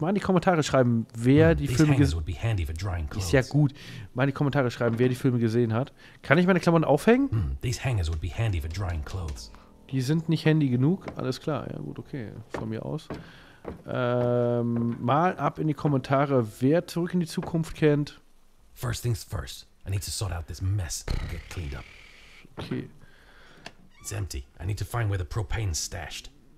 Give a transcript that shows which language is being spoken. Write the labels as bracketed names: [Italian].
[German] Mal in die Kommentare schreiben, wer die Filme gesehen hat. Ist ja gut. Mal in die Kommentare schreiben, wer die Filme gesehen hat. Kann ich meine Klamotten aufhängen? [English] These hangers would be handy for drying clothes. [German] Die sind nicht handy genug. Alles klar. Ja gut, okay. Von mir aus. Mal ab in die Kommentare, wer Zurück in die Zukunft kennt. [English] First things first. I need to sort out this mess and get cleaned up. Okay. It's empty. I need to find where the propane's stashed.